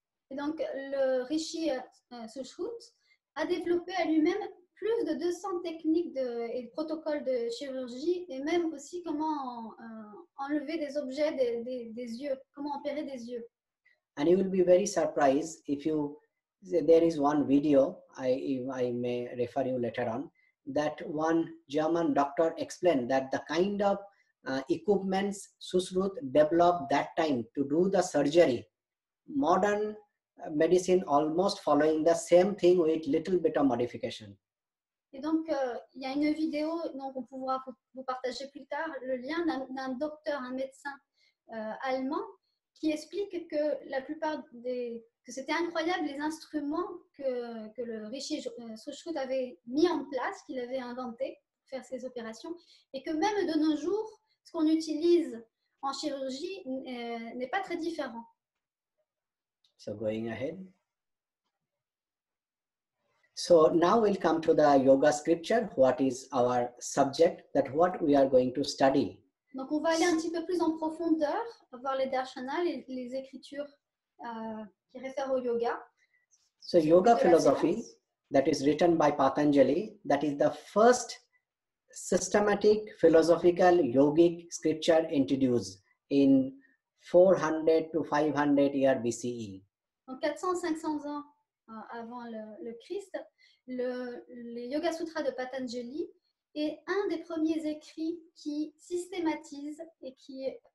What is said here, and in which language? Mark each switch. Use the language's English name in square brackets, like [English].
[French] Et donc le Rishi Susrut a développé à lui-même plus de 200 techniques et de protocoles de chirurgie et même aussi comment enlever des objets des yeux, comment opérer des yeux. [English] And you will be very surprised if you there is one video I may refer you later on that one German doctor explained that the kind of equipments Sushrut developed that time to do the surgery, modern medicine almost following the same thing with little bit of modification. [French] Et donc, il y a une vidéo dont on pourra vous partager plus tard le lien d'un docteur, un médecin allemand, qui explique que la plupart des que c'était incroyable les instruments que le Richie Sushrut avait mis en place, qu'il avait inventé pour faire ses opérations, et que même de nos jours, ce qu'on utilise en chirurgie n'est pas très différent. [English] So going ahead. So now we'll come to the yoga scripture. What is our subject? That what we are going to study. [French] Donc on va aller un petit peu plus en profondeur, voir les darshanas, les écritures qui réfèrent au yoga. [English] So yoga philosophy that is written by Patanjali, that is the first systematic philosophical yogic scripture introduced in 400 to 500 year BCE. [French] En 400-500 ans avant le Christ, les Yoga Sutras de Patanjali est un des premiers écrits qui systématise et qui